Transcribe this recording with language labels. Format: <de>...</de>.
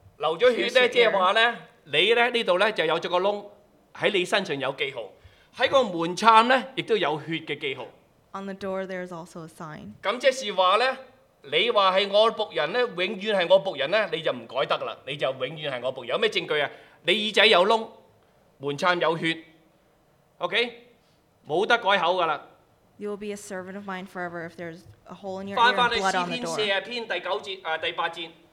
<yue>流咗血咧，即係話咧，你咧呢度咧就有咗個窿，喺你身上有記號，喺個門撐咧亦都有血嘅記號。</yue> <en>On the door there's also a sign。</en> <yue>咁即是話咧，你話係我仆人咧，永遠係我仆人咧，你就唔改得啦，你就永遠係我仆人。有咩證據啊？你耳仔有窿，門撐有血 ，OK？冇得改口噶啦。</yue> <en>You will be a servant of mine forever if there's a hole in your ear and blood on the door.</en> <yue>翻翻去詩篇四十篇第九節啊，第八節。</yue>